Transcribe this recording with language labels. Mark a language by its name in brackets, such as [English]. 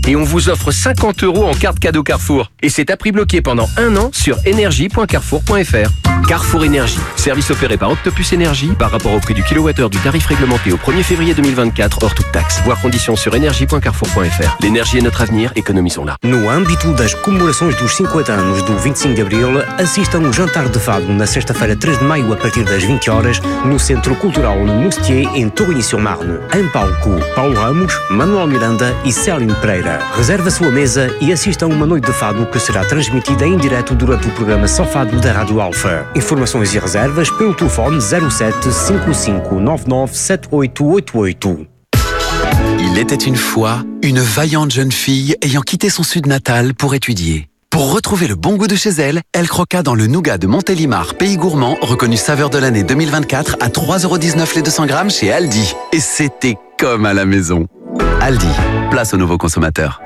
[French] Et on vous offre 50 euros en carte cadeau Carrefour. Et c'est à prix bloqué pendant un an sur energie.carrefour.fr. Carrefour Énergie, service opéré par Octopus Énergie par rapport au prix du kilowattheure du tarif réglementé au 1er février 2024, hors toute taxe. Voir conditions sur energie.carrefour.fr. L'énergie est notre avenir, économisons-la. [Portuguese] No âmbito das comemorações dos 50 anos do 25 de Abril, assistam ao Jantar de Fado na sexta-feira 3 de Maio, a partir das 20 horas, no Centro Cultural Moustier, em Torigny-sur-Marne. Em palco, Paulo Ramos, Manuel Miranda e Céline Pereira. Reserve a sua mesa e assista a uma noite de fado que será transmitida em direto durante o programa Só Fado da Rádio Alfa. Informações e reservas pelo telefone 07-5599-7888. [French] Il était une fois, une vaillante jeune fille ayant quitté son sud natal pour étudier. Pour retrouver le bon goût de chez elle, elle croqua dans le nougat de Montélimar, pays gourmand, reconnu saveur de l'année 2024 à 3,19€ les 200 grammes chez Aldi. Et c'était comme à la maison. Aldi, place aux nouveaux consommateurs.